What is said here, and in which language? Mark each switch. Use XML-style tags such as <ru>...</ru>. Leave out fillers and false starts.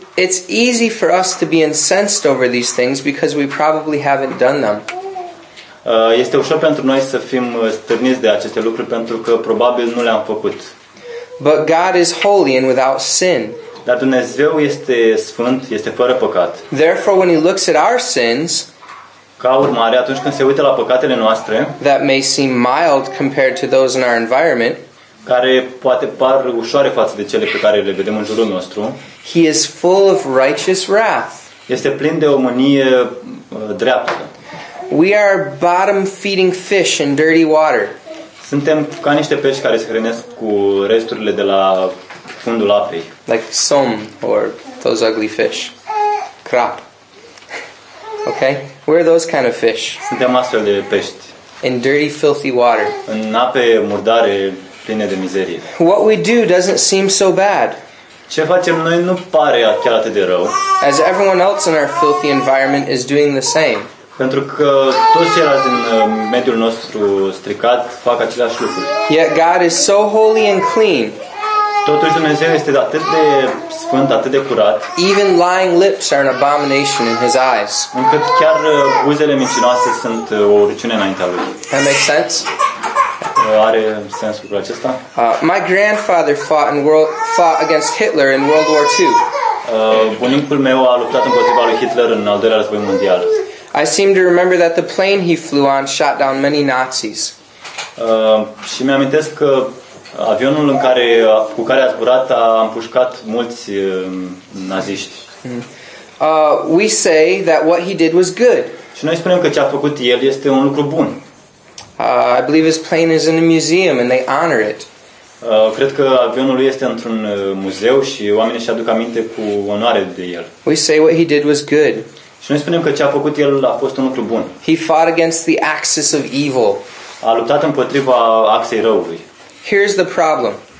<en>It's easy for us to be incensed over these things because we probably haven't done them.</en> <ro>Este ușor pentru noi să fim stârniți de aceste lucruri pentru că probabil nu le-am făcut.</ro> <en>But God is holy and without sin.</en> <ro>Dar Dumnezeu este sfânt, este fără păcat.</ro> <en>Therefore, when he looks at our sins,</en> <ro>ca urmare, atunci când se uită la păcatele noastre,</ro> <en>that may seem mild compared to those in our environment,</en> <ro>care poate par ușoare față de cele pe care le vedem în jurul nostru,</ro> <en>he is full of righteous wrath.</en> <ro>Este plin de o mânie dreaptă.</ro> <en>We are bottom feeding fish in dirty water.</en> <ro>Suntem ca niște pești care se hrănesc cu resturile de la fundul apei.</ro> <en>Like som or those ugly fish. Crap. Okay? Where are those kind of fish?</en> <ro>Suntem astfel de pești.</ro> <en>In dirty, filthy water.</en> <ro>În ape murdare pline de mizerie.</ro> <en>What we do doesn't seem so bad.</en> <ro>Ce facem noi nu pare chiar atât de rău.</ro> <en>As everyone else in our filthy environment is doing the same.</en> <ro>Pentru că toți ceilalți din mediul nostru stricat fac aceleași lucruri.</ro> <en>Yet God is so holy and clean.</en> <ro>Totuși Dumnezeu este atât de sfânt, atât de curat.</ro> <en>Even lying lips are an abomination in his eyes.</en> <ro>Încât chiar buzele mincinoase sunt o urâciune înaintea lui.</ro> <en>That makes sense?</en> <ro>are sens cu acesta?</ro> <en>My grandfather fought against Hitler in World War II.</en> <ro>Bunicul meu a luptat împotriva lui Hitler în al doilea război mondial.</ro> <en>I seem to remember that the plane he flew on shot down many Nazis.</en> <ro>Și mi-am amintesc că avionul în care cu care a zburat a împușcat mulți naziști.</ro> <en>We say that what he did was good.</en> <ro>Și noi spunem că ce a făcut el este un lucru bun.</ro> <en>I believe his plane is in a museum and they honor it.</en> <ro>Cred că avionul lui este într-un muzeu și oamenii își aduc aminte cu onoare de el.</ro> <en>We say what he did was good.</en> <ro>Și noi spunem că ce a făcut el a fost un lucru bun.</ro> <en>He fought against the axis of evil.</en> <ro>A luptat împotriva axei răului.</ro> <en>Here's the problem.</en>